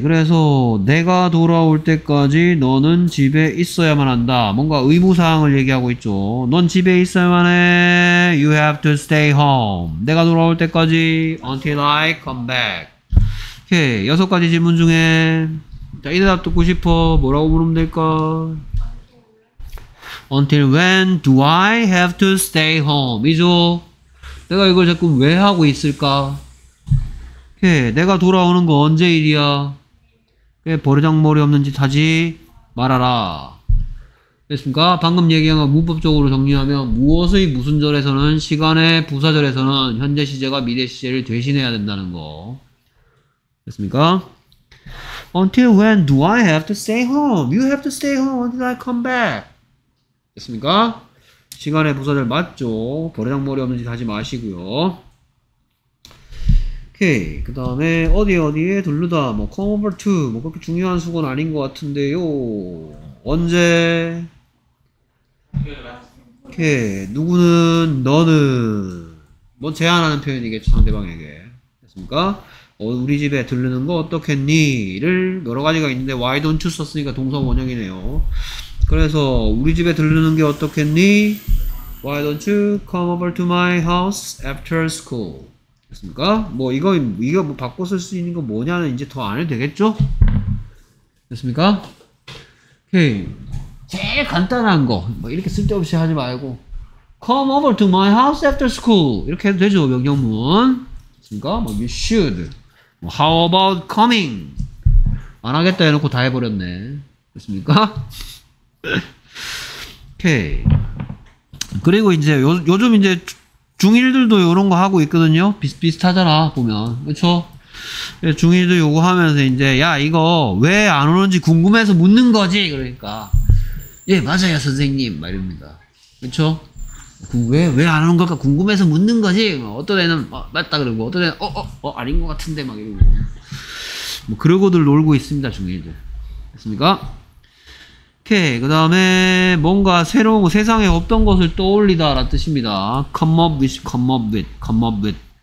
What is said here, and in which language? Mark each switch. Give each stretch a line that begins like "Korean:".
Korean: 그래서 내가 돌아올 때까지 너는 집에 있어야만 한다. 뭔가 의무사항을 얘기하고 있죠. 넌 집에 있어야만 해.
English: You have to stay home.
Korean: 내가 돌아올 때까지
English: until I come back.
Korean: 오케이. 여섯 가지 질문 중에 자, 이 대답 듣고 싶어. 뭐라고 부르면 될까?
English: Until when do I have to stay home?
Korean: 이죠? 내가 이걸 자꾸 왜 하고 있을까? 오케이. 내가 돌아오는 거 언제 일이야? 꽤 버르장머리 없는 짓 하지 말아라. 됐습니까? 방금 얘기한 거 문법적으로 정리하면 무엇의 무슨 절에서는 시간의 부사절에서는 현재 시제가 미래 시제를 대신해야 된다는 거. 됐습니까?
English: Until when do I have to stay home? You have to stay home until I come back.
Korean: 됐습니까? 시간의 부사절 맞죠? 버르장머리 없는 짓 하지 마시고요. 오케이. 그 다음에 어디 어디에 둘르다 뭐 come over to 뭐 그렇게 중요한 수건 아닌 것 같은데요. 언제? 오케이. 누구는 너는 뭐 제안하는 표현이겠죠 상대방에게. 됐습니까? 우리 집에 들르는 거 어떻겠니? 를 여러 가지가 있는데
English: why don't you
Korean: 썼으니까 동사 원형이네요. 그래서 우리 집에 들르는 게 어떻겠니?
English: Why don't you come over to my house after school?
Korean: 됐습니까? 뭐 이거 뭐 바꿔 쓸 수 있는 거 뭐냐는 이제 더 안 해도 되겠죠? 됐습니까? 오케이. 제일 간단한 거 뭐 이렇게 쓸데없이 하지 말고
English: Come over to my house after school
Korean: 이렇게 해도 되죠 명령문. 됐습니까?
English: 뭐 you should 뭐 How about coming?
Korean: 안 하겠다 해놓고 다 해버렸네. 됐습니까? 오케이. 그리고 이제 요즘 이제 중1들도 요런 거 하고 있거든요. 비슷하잖아 보면. 그쵸? 중1들 요거 하면서 이제 야 이거 왜 안 오는지 궁금해서 묻는 거지. 그러니까 예 맞아요 선생님 말입니다. 그쵸? 왜 안 오는 걸까 궁금해서 묻는 거지. 어떤 애는 맞다 그러고 어떤 애는 아닌 것 같은데 막 이러고 뭐 그러고들 놀고 있습니다 중1들. 됐습니까? 오케이. 그 다음에 뭔가 새로운 세상에 없던 것을 떠올리다 라는 뜻입니다.
English: Come up with, come up with, come up with.